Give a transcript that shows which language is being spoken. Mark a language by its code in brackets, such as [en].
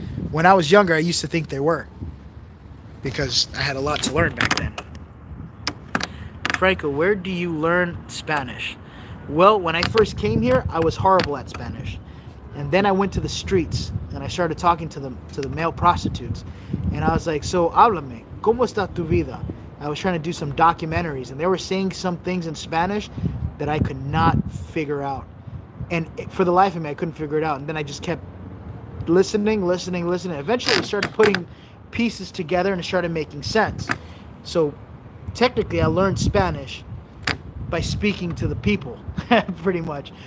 [en] When I was younger, I used to think they were, because I had a lot to learn back then. Franco, where do you learn Spanish? Well, when I first came here, I was horrible at Spanish. And then I went to the streets and I started talking to the male prostitutes. And I was like, so [es] háblame, ¿cómo está tu vida? [en] I was trying to do some documentaries and they were saying some things in Spanish that I could not figure out. And for the life of me, I couldn't figure it out. And then I just kept listening, listening, listening. Eventually, I started putting pieces together and it started making sense. So technically, I learned Spanish by speaking to the people, pretty much.